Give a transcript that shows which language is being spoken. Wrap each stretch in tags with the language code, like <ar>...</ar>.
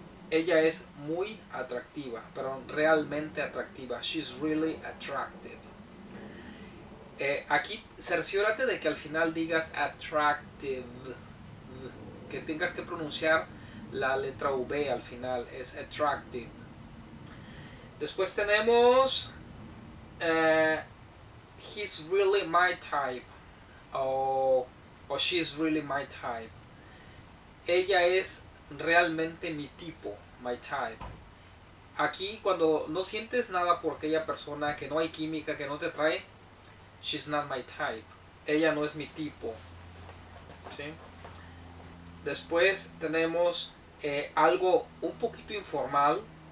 <es>Ella es muy atractiva, perdón, realmente atractiva.</es> <en>She's really attractive.</en> <es>Aquí cerciórate de que al final digas attractive, que tengas que pronunciar la letra V al final, es attractive. Después tenemos,</es> <en>he's really my type, o she's really my type.</en> <es>Ella es realmente mi tipo,</es> <en>my type.</en> <es>Aquí cuando no sientes nada por aquella persona, que no hay química, que no te atrae,</es> <en>she's not my type.</en> <es>Ella no es mi tipo. ¿Sí? Después tenemos algo un poquito informal.</es>